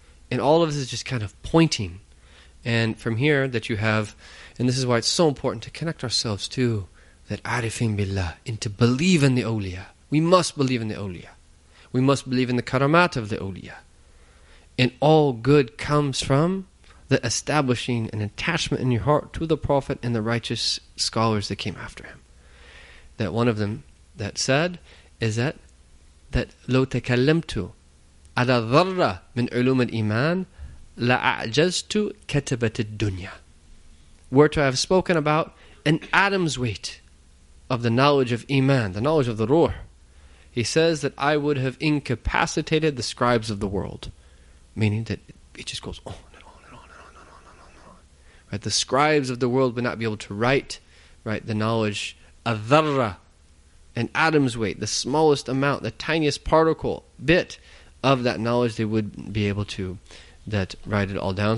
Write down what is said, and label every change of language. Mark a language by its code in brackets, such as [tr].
[en] And all of this is just kind of pointing. And from here that you have, and this is why it's so important to connect ourselves to that arifin billah, and to believe in the awliya. We must believe in the awliya. We must believe in the karamat of the awliya. And all good comes from the establishing an attachment in your heart to the Prophet and the righteous scholars that came after him. That one of them that said is that [ar] لو تكلمت على ذرة من علوم الإيمان لأعجزت كتبة الدنيا. [en] Were to have spoken about an atom's weight of the knowledge of Iman, the knowledge of the Ruh, he says that I would have incapacitated the scribes of the world. Meaning that it just goes on. Right, the scribes of the world would not be able to write, right, the knowledge, a dharra, an atom's weight, the smallest amount, the tiniest particle, bit of that knowledge, they would be able to that write it all down.